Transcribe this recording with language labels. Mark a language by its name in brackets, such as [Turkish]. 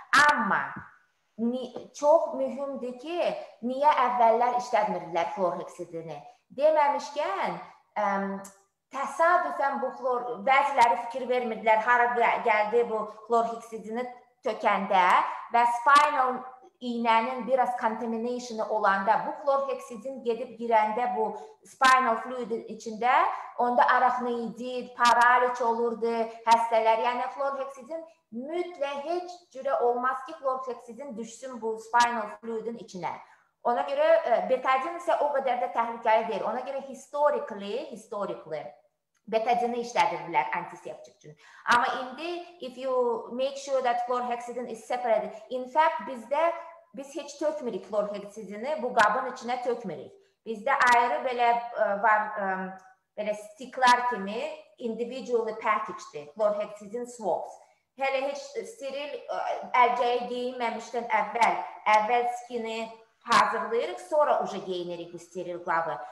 [Azerbaijani] Ama çok mühimdir ki, niye evveler işlemirler florheksidini? Dememişken, təsadüfən bu klor, bəziləri fikir vermirdilər, hara gəldi bu klorheksidini tökəndə və spinal iğnənin biraz contamination olanda bu klorheksidin gedib girəndə bu spinal fluidin içində onda arachnoidit, paralıç olurdu, xəstələr. Yəni klorheksidin mütləq heç cürə olmaz ki, klorheksidin düşsün bu spinal fluidin içine. Ona görə betadin isə o qədər də təhlükəli deyil. Ona görə historically betadini işlədirdilər antiseptik üçün. Amma indi [English] if you make sure that chlorhexidine is separated. In fact [Azerbaijani] biz heç tökmürük chlorhexidini bu qabın içinə tökmürük. Bizdə ayrı belə var belə sticklar kimi individually packagedir. Chlorhexidine swabs. Hələ heç steril əlcəyi giyinməmişdən əvvəl skini hazırlayırıq, sonra uca geyinirik bu steril qabı.